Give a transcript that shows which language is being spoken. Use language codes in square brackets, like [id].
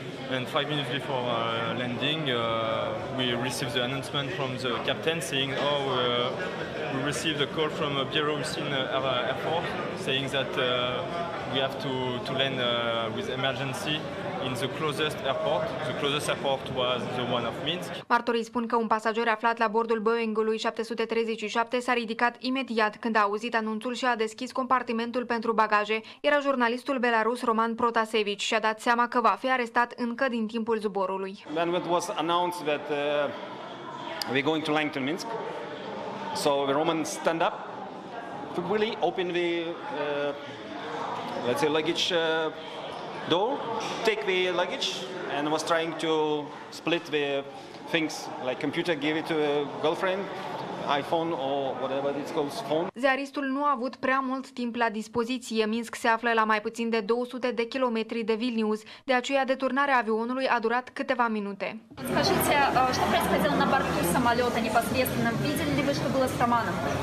[en] And 5 minutes before landing, we received the announcement from the captain saying, oh, we received a call from a bureau within our airport saying that we have to land with emergency in the closest airport. The closest airport was the one of Minsk. [ro] Martorii spun că un pasager aflat la bordul Boeing-ului 737 s-a ridicat imediat când a auzit anunțul și a deschis compartimentul pentru bagaje. Era jurnalistul belarus Roman Protasevici și a dat seama că va fi arestat încă din timpul zborului. [en] When it was announced that we're going to land to Minsk, so the Roman stand up, quickly open the let's say luggage door, take the luggage, and was trying to split the things, like computer, give it to a girlfriend, iPhone or whatever it's called, phone. [ro] Ziaristul nu a avut prea mult timp la dispoziție. Minsk se află la mai puțin de 200 de kilometri de Vilnius, de aceea deturnarea avionului a durat câteva minute. [ru] Скажите, что происходило на борту самолета непосредственно? Видели ли вы, что было с Романом?